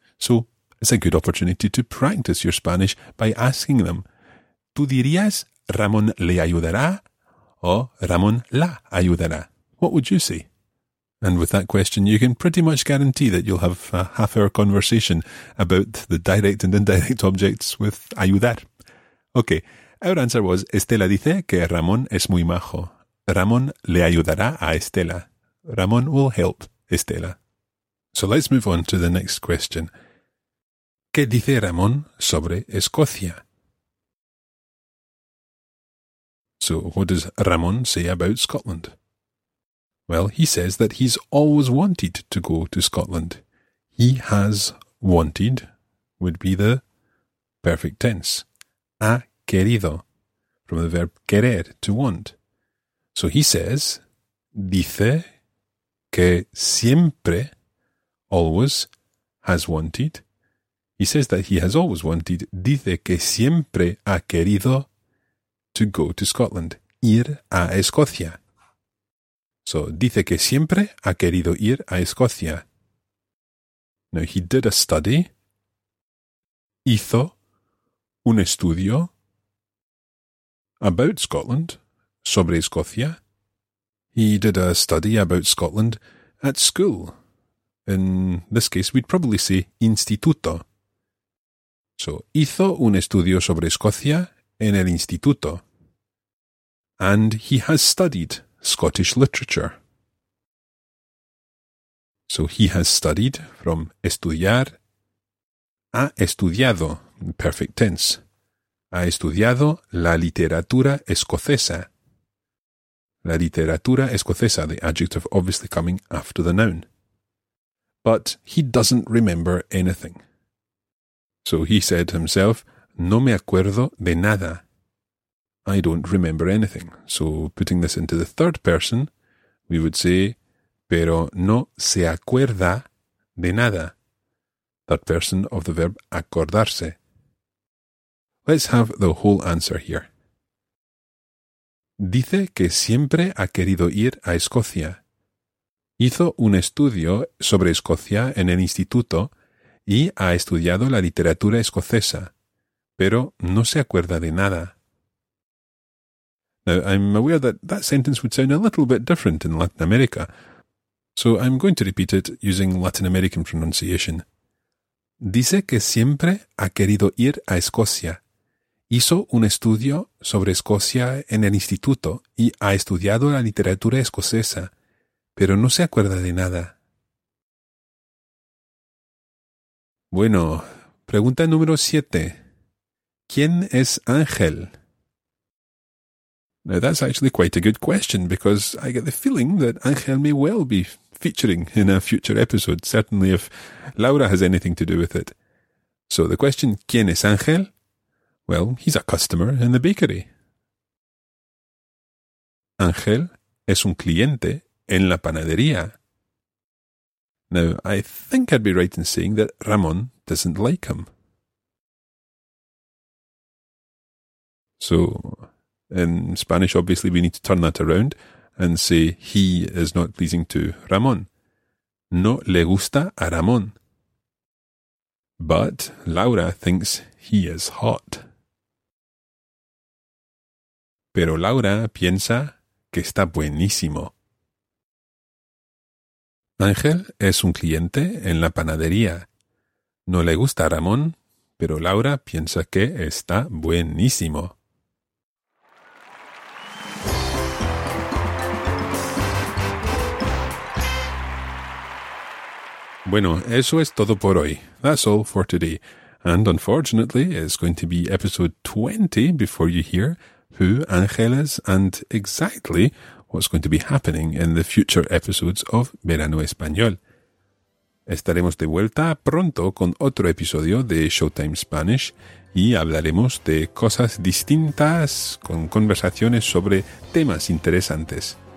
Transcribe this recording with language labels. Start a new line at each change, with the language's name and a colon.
English: So, it's a good opportunity to practice your Spanish by asking them,
Spanish: ¿Tú dirías Ramón le ayudará o Ramón la ayudará?
English: What would you say? And with that question, you can pretty much guarantee that you'll have a half-hour conversation about the direct and indirect objects with ayudar. Okay, our answer was
Spanish: Estela dice que Ramón es muy majo. Ramón le ayudará a Estela.
English: Ramón will help Estela. So let's move on to the next question.
Spanish: ¿Qué dice Ramón sobre Escocia?
English: So what does Ramón say about Scotland? Well, he says that he's always wanted to go to Scotland. He has wanted would be the perfect tense.
Spanish: Ha querido,
English: from the verb querer, to want. So he says,
Spanish: dice que siempre,
English: always, has wanted. He says that he has always wanted,
Spanish: dice que siempre ha querido
English: to go to Scotland,
Spanish: ir a Escocia. So, dice que siempre ha querido ir a Escocia.
English: Now, he did a study.
Spanish: Hizo un estudio
English: about Scotland.
Spanish: sobre Escocia.
English: He did a study about Scotland at school. In this case, we'd probably say instituto.
Spanish: So, hizo un estudio sobre Escocia en el instituto.
English: And he has studied Scottish literature. So, he has studied from estudiar.
Spanish: Ha estudiado,
English: perfect tense.
Spanish: Ha estudiado la literatura escocesa. La literatura escocesa,
English: the adjective obviously coming after the noun. But he doesn't remember anything. So he said himself,
Spanish: no me acuerdo de nada.
English: I don't remember anything. So putting this into the third person, we would say,
Spanish: pero no se acuerda de nada.
English: Third person of the verb acordarse. Let's have the whole answer here.
Spanish: Dice que siempre ha querido ir a Escocia. Hizo un estudio sobre Escocia en el instituto y ha estudiado la literatura escocesa, pero no se acuerda de nada.
English: Now, I'm aware that that sentence would sound a little bit different in Latin America, so I'm going to repeat it using Latin American pronunciation.
Spanish: Dice que siempre ha querido ir a Escocia. Hizo un estudio sobre Escocia en el instituto y ha estudiado la literatura escocesa, pero no se acuerda de nada. Bueno, pregunta número 7. ¿Quién es Ángel?
English: Now that's actually quite a good question because I get the feeling that Ángel may well be featuring in a future episode, certainly if Laura has anything to do with it. So the question,
Spanish: ¿quién es Ángel?
English: Well, he's a customer in the bakery.
Spanish: Ángel es un cliente en la panadería.
English: Now, I think I'd be right in saying that Ramón doesn't like him. So, in Spanish, obviously, we need to turn that around and say he is not pleasing to Ramón.
Spanish: No le gusta a Ramón.
English: But Laura thinks he is hot.
Spanish: Pero Laura piensa que está buenísimo. Ángel es un cliente en la panadería. No le gusta a Ramón, pero Laura piensa que está buenísimo. Bueno, eso es todo por hoy.
English: That's all for today. And unfortunately, it's going to be episode 20 before you hear who Ángel is and exactly what's going to be happening in the future episodes of Verano Español.
Spanish: Estaremos de vuelta pronto con otro episodio de Showtime Spanish y hablaremos de cosas distintas con conversaciones sobre temas interesantes.